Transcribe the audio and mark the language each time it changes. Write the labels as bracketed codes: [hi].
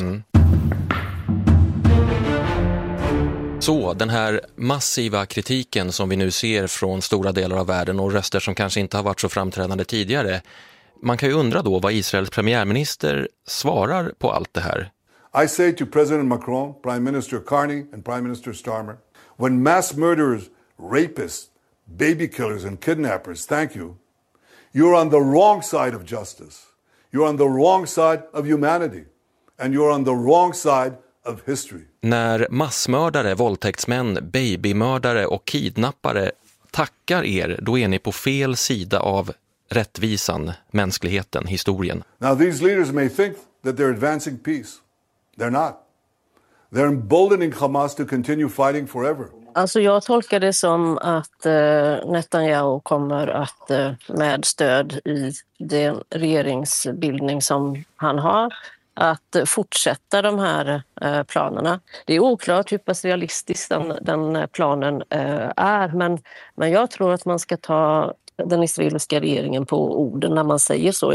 [sv] Mm. Så, den här massiva kritiken som vi nu ser från stora delar av världen och röster som kanske inte har varit så framträdande tidigare, Man kan ju undra då vad Israels premiärminister svarar på allt det här. [en] I say to President Macron, Prime Minister Carney and Prime Minister Starmer, when mass murderers, rapists, baby killers and kidnappers thank you, you're on the wrong side of justice. You're on the wrong side of humanity. And you're on the wrong side of history. [sv] När massmördare, våldtäktsmän, babymördare och kidnappare tackar er, då är ni på fel sida av rättvisan, mänskligheten, historien. [en] Now these leaders may think that they're advancing peace. They're not. They're emboldening Hamas to continue fighting forever. [sv] Alltså jag tolkar det som att Netanyahu kommer att med stöd i den regeringsbildning som han har att fortsätta de här planerna. Det är oklart hur pass realistisk den planen är, men jag tror att man ska ta den israeliska regeringen på orden när man säger så.